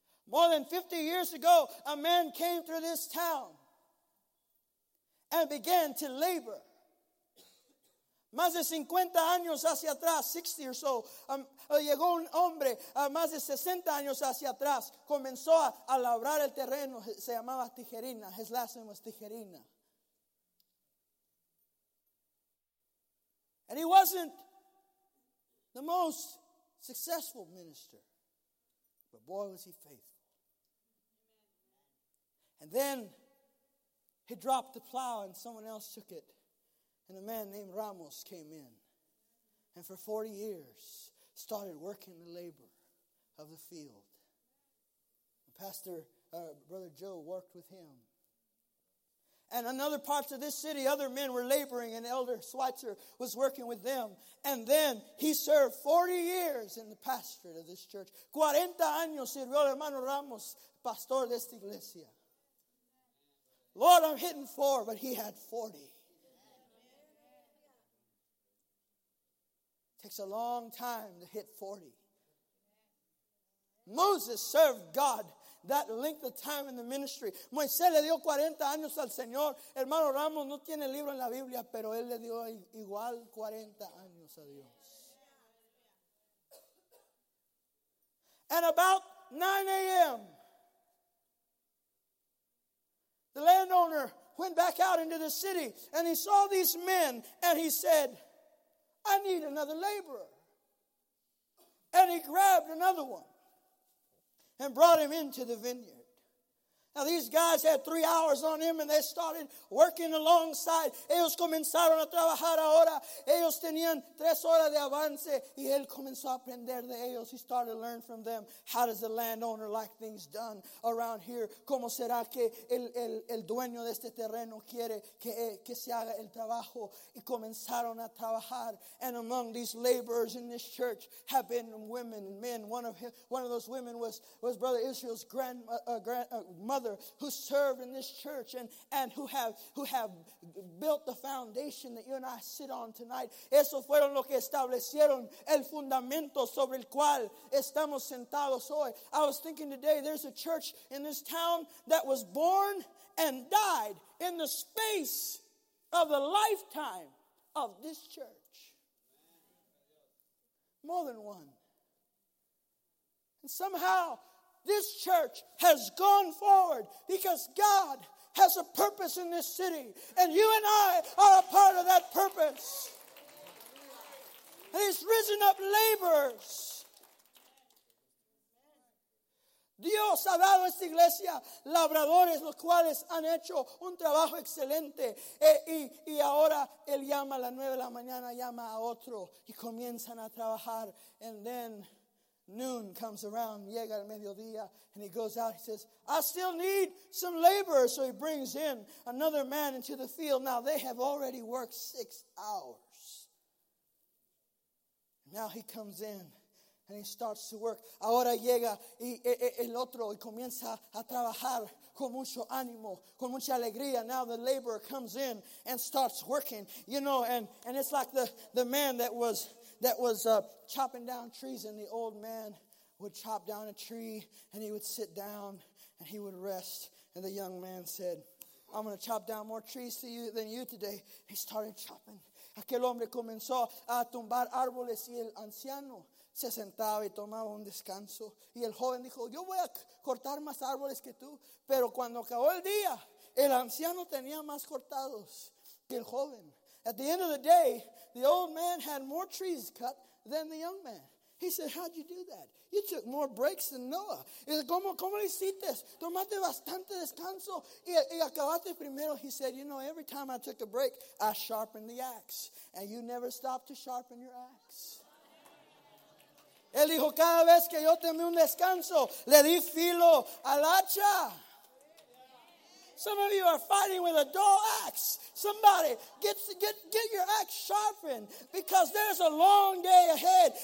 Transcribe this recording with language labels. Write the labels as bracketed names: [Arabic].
[English] More than 50 years ago, a man came through this town and began to labor. [Spanish] Más de 50 años hacia atrás, [English] 60 or so, [Spanish] llegó un hombre más de 60 años hacia atrás, comenzó a labrar el terreno, se llamaba Tijerina, [English] his last name was Tijerina. And he wasn't the most successful minister, but boy was he faithful. And then he dropped the plow and someone else took it. And a man named Ramos came in and for 40 years started working the labor of the field. Pastor, Brother Joe worked with him. And in other parts of this city, other men were laboring and Elder Schweitzer was working with them. And then he served 40 years in the pastorate of this church. [Spanish] 40 años sirvió el hermano Ramos, pastor de esta iglesia. [English] Lord, I'm hitting 4, but he had 40. Takes a long time to hit 40. Moses served God that length of time in the ministry. [Spanish] Moisés le dio 40 años al Señor. Hermano Ramos no tiene libro en la Biblia, pero él le dio igual 40 años a Dios. [English] And about 9 a.m., the landowner went back out into the city and he saw these men and he said, I need another laborer. And he grabbed another one and brought him into the vineyard. Now these guys had 3 hours on him and they started working alongside. [Spanish] Ellos comenzaron a trabajar ahora. Ellos tenían 3 horas de avance y él comenzó a aprender de ellos. [English] He started to learn from them. How does the landowner like things done around here? [Spanish] ¿Cómo será que el dueño de este terreno quiere que se haga el trabajo? Y comenzaron a trabajar. [English] And among these laborers in this church have been women and men. One of those women was Brother Israel's mother who served in this church and who have built the foundation that you and I sit on tonight. [Spanish] Esos fueron los que establecieron el fundamento sobre el cual estamos sentados hoy. [English] I was thinking today, there's a church in this town that was born and died in the space of the lifetime of this church. More than one. And somehow, this church has gone forward because God has a purpose in this city. And you and I are a part of that purpose. And he's risen up laborers. [Spanish] Dios ha dado a esta iglesia labradores, los cuales han hecho un trabajo excelente. Y ahora él llama a las 9 de la mañana, llama a otro y comienzan a trabajar. [English] And then noon comes around, [Spanish] llega el mediodía, [English] and he goes out. He says, I still need some labor. So he brings in another man into the field. Now they have already worked 6 hours. Now he comes in and he starts to work. [Spanish] Ahora llega el otro y comienza a trabajar con mucho ánimo, con mucha alegría. [English] Now the laborer comes in and starts working. You know, and it's like the man that was chopping down trees, and the old man would chop down a tree and he would sit down and he would rest. And the young man said, I'm going to chop down more trees to you than you today. He started chopping. [Spanish] Aquel hombre comenzó a tumbar árboles y el anciano se sentaba y tomaba un descanso. Y el joven dijo, yo voy a cortar más árboles que tú. Pero cuando acabó el día, el anciano tenía más cortados que el joven. [English] At the end of the day, the old man had more trees cut than the young man. He said, how'd you do that? You took more breaks than Noah. [Spanish] Y dijo, ¿cómo lo hiciste? Tomaste bastante descanso y acabaste primero. [English] He said, you know, every time I took a break, I sharpened the axe. And you never stopped to sharpen your axe. [Spanish] Él dijo, cada vez que yo tomé un descanso, le di filo al hacha. [English] Some of you are fighting with a dull axe. Somebody, get your axe sharpened because there's a long day ahead.